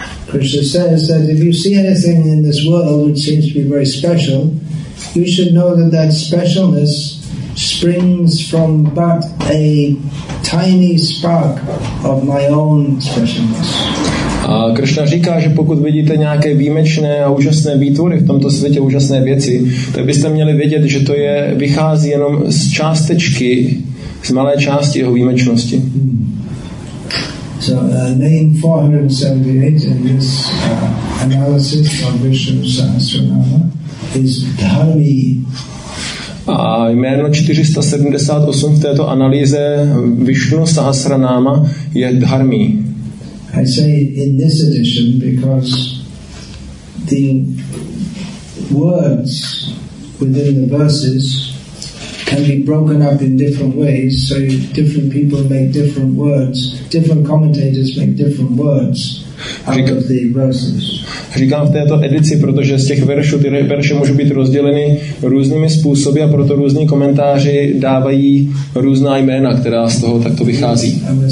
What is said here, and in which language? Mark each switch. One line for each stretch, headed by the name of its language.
English: Krishna says that if you see anything in this world which seems to be very special, you should know that that specialness springs from but a tiny spark of my own specialness.
Czech: A Krishna říká, že pokud vidíte nějaké výjimečné a úžasné výtvory v tomto světě, úžasné věci, tak byste měli vědět, že to je vychází jenom z částečky, z malé části jeho výjimečnosti.
English: So name 478 in this analysis of Vishnu Sahasranama is Dhavi.
Czech: A jméno 478 v této analýze Vishnu Sahasranama je Dharmi.
English: I say in this edition because the words within the verses can be broken up in different ways, so different people make different words, different commentators make different words out of the verses.
Czech: Říkám v této edici, protože z těch veršů, ty verše můžou být rozděleny různými způsoby a proto různí komentáři dávají různá jména, která z toho takto vychází.